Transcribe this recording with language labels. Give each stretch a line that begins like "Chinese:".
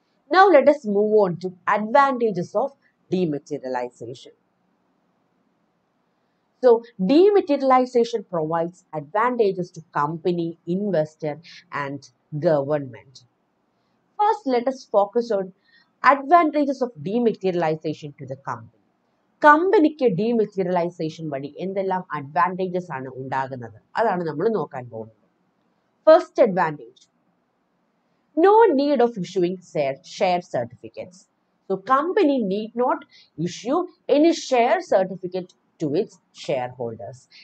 English: Now let us move on to advantages of dematerialisation. So dematerialisation provides advantages to company, investor and government.
Malayalam: First let us focus on
English: advantages of dematerialization to the company.
Malayalam: കമ്പനിക്ക് dematerialisation വഴി എന്തെല്ലാം advantages ആണ് ഉണ്ടാകുന്നത്, അതാണ് നമ്മൾ നോക്കാൻ പോകുന്നത്.
English: First advantage, no need of issuing share certificates. So company need not issue any share certificate to its share holders.